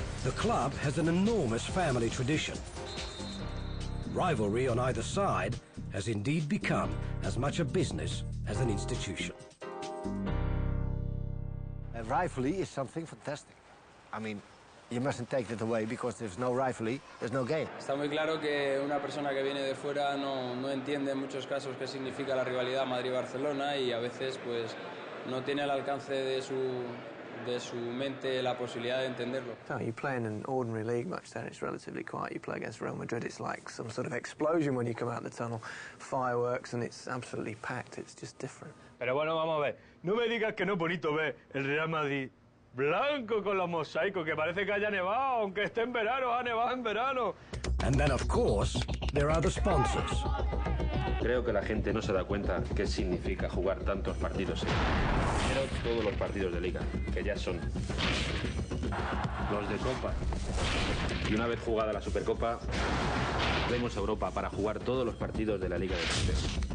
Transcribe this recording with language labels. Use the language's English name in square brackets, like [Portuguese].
[English] The club has an enormous family tradition. Rivalry on either side has indeed become as much a business as an institution. Rivalry is something fantastic. I mean, you mustn't take that away, because there's no rivalry, there's no game. [Spanish] Está muy claro que una persona que viene de fuera no entiende en muchos casos qué significa la rivalidad Madrid-Barcelona y a veces pues no tiene al alcance de su mente la posibilidad de entenderlo. [English] No, you play in an ordinary league match, then it's relatively quiet. You play against Real Madrid, it's like some sort of explosion when you come out the tunnel, fireworks, and it's absolutely packed. It's just different. [Spanish] Pero bueno, vamos a ver. No me digas que no es bonito ver el Real Madrid blanco con los mosaicos, que parece que haya nevado, aunque esté en verano, ha nevado en verano. [English] And then, of course, there are the sponsors. [Spanish] Creo que la gente no se da cuenta qué significa jugar tantos partidos. Pero todos los partidos de Liga, que ya son los de Copa. Y una vez jugada la Supercopa, vamos a Europa para jugar todos los partidos de la Liga de Campeones.